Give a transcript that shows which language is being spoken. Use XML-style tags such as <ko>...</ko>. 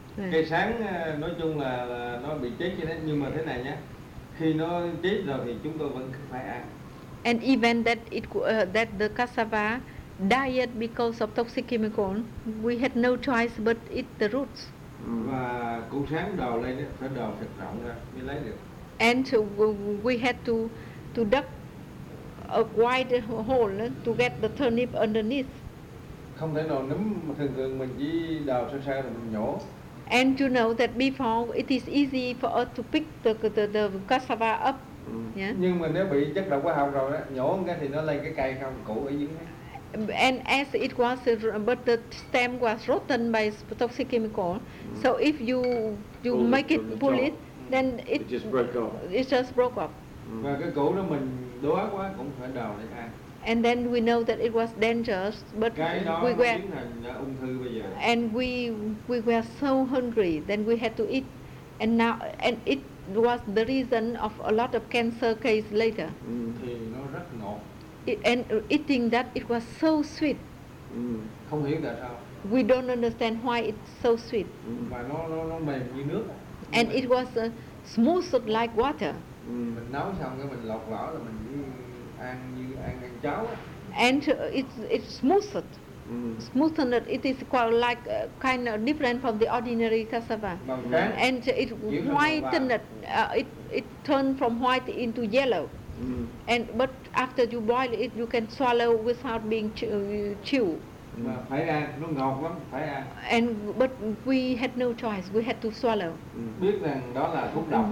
<vi>Cây sắn nói chung là nó bị chết cho nên nhưng mà thế này nhé. Khi nó chết rồi thì chúng tôi vẫn phải ăn.</vi> <en>And even that it that the cassava died because of toxic chemical, we had no choice but eat the roots.</en> <vi>Và củ sắn đào lên phải đào thật rộng ra mới lấy được.</vi> <en>And we had to dug a wide hole to get the turnip underneath.</en> <vi>Không thể nào nấm thường thường mình chỉ đào sơ sơ rồi mình nhổ.</vi> <en>And you know that before it is easy for us to pick the cassava up. Yeah?</en> <vi>Nhưng mà nếu bị chất độc hóa học rồi đó, nhổ một cái thì nó lên cái cây không cũ ở dưới.</vi> <en>And as it was, but the stem was rotten by toxic chemical. So if you pull make it pull top, it, then it just broke off. It just broke off.</en> <vi>Và cái củ đó mình đói quá cũng phải đào để ăn.</vi> <en>And then we know that it was dangerous, but we were</en> <vi>ung thư bây giờ.</vi> <en>And we were so hungry, then we had to eat, and now and it was the reason of a lot of cancer case later.</en> <vi>Thì nó rất ngọt.</vi> <en>And eating that, it was so sweet.</en> <vi>Không hiểu tại sao.</vi> <en>We don't understand why it's so sweet.</en> <vi>Mà nó mềm như nước.</vi> <en>And it was smooth like water.</en> <vi>Mình nấu xong cái mình lọc vỏ là mình ăn cháo.</vi> <en>And it's smoothed. Smoothened. It is quite like kind of different from the ordinary cassava. And it whitened. It turned from white into yellow. And but after you boil it, you can swallow without being chew.</en> <vi>Phải ăn, nó ngọt lắm, phải ăn.</vi> <en>And but we had no choice. We had to swallow.</en> <vi>Biết rằng đó là thuốc độc.</vi>